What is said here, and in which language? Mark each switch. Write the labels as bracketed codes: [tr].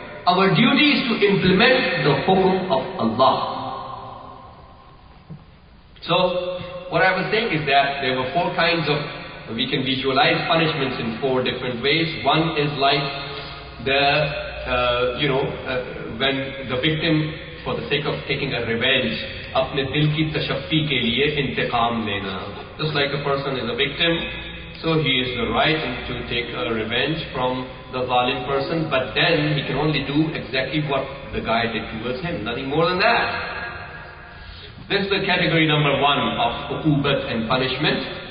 [en] Our duty is to implement the hukum of Allah. So, what I was saying is that there were four kinds of, we can visualize punishments in four different ways. One is like the, when the victim, for the sake of taking a revenge, [ur] اپنے دل کی تشفی کے لیے انتقام لینا. [en] Just like a person is a victim, so he is the right to take a revenge from the zalim person, but then he can only do exactly what the guy did towards him, nothing more than that. This is the category number one of uqubat and punishment.